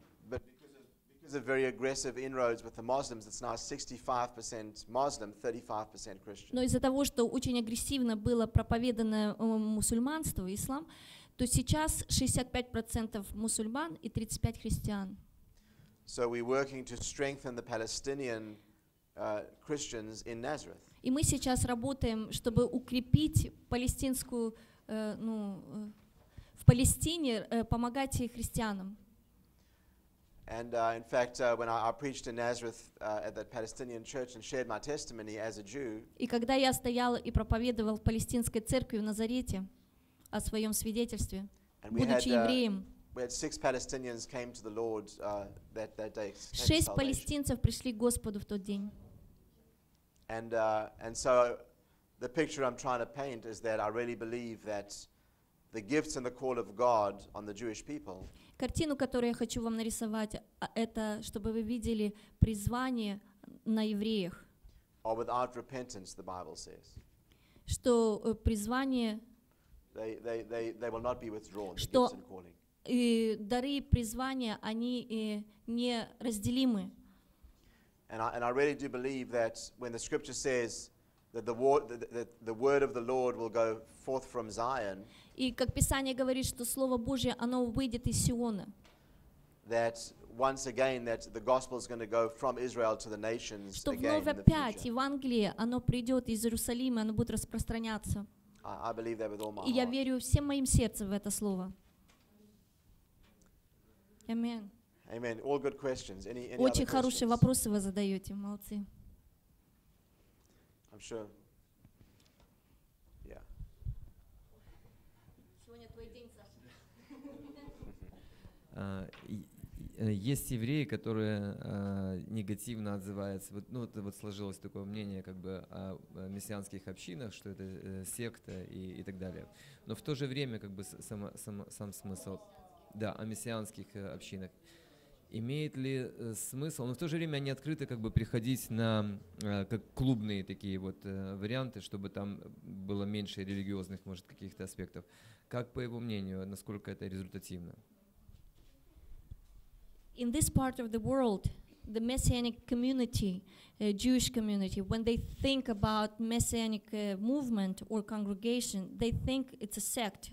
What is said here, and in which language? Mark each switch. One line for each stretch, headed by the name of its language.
English: But because of very aggressive inroads with the Muslims, it's now 65% Muslim, 35% Christian.
Russian: Но из-за того, что очень агрессивно было проповедано мусульманство, ислам, то сейчас 65% мусульман и 35% христиан.
English: So we're working to strengthen the Palestinian Christians in Nazareth.
Russian: И мы сейчас работаем, чтобы укрепить палестинскую, в Палестине помогать христианам.
English: And in fact, when I preached in Nazareth at that Palestinian church and shared my testimony as a Jew.
Russian: И когда я стоял и проповедовал в палестинской церкви в Назарете о своем свидетельстве, будучи евреем.
English: We had six Palestinians came to the Lord that day.
Russian: Шесть палестинцев пришли к Господу в тот день.
English: And so the picture I'm trying to paint is that I really believe that the gifts and the call of God on the Jewish people.
Russian: Картину, которую я хочу вам нарисовать, это чтобы вы видели призвание на евреях.
English: Or without repentance, the Bible says.
Russian: Что призвание.
English: They will not be withdrawn. The gifts and calling.
Russian: И дары и призвания, они неразделимы.
English: And I really do believe that when the scripture says that the word of the Lord will go forth from Zion.
Russian: И как Писание говорит, что Слово Божье, оно выйдет из Сиона.
English: That once again that the gospel is going to go from Israel to the nations again.
Russian: Что вновь опять Евангелие, оно придет из Иерусалима, оно будет распространяться.
English: I believe that with all my heart.
Russian: И я верю всем моим сердцем в это слово.
English: Amen. Amen. All good questions. Any
Russian: Очень
English: other questions?
Russian: Хорошие вопросы вы задаете, молодцы.
English: I'm sure. Yeah.
Russian: Сегодня твой день, Саша. Есть евреи, которые негативно отзываются. Вот сложилось такое мнение, как бы о мессианских общинах, что это секта и так далее. Но в то же время, как бы сам смысл. Да, о мессианских общинах. Имеет ли смысл? Но в то же время они открыты как бы приходить на как клубные такие вот варианты, чтобы там было меньше религиозных, может, каких-то аспектов. Как по его мнению, насколько это результативно?
English: In this part of the world, the messianic community, Jewish community, when they think about messianic movement or congregation, they think it's a sect.